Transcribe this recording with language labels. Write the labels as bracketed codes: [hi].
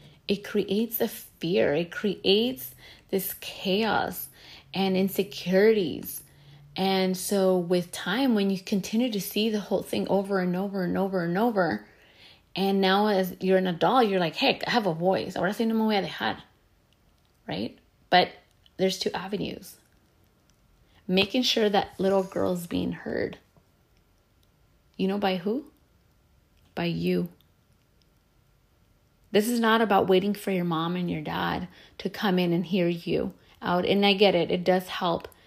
[en] It creates a fear. It creates this chaos and insecurities. And so with time, when you continue to see the whole thing over and over and over and over, and now as you're an adult, you're like, hey, I have a voice. [es] Ahora sí no me voy a dejar, right? [en] But there's two avenues. Making sure that little girl's being heard. You know by who? By you. This is not about waiting for your mom and your dad to come in and hear you out. And I get it. It does help.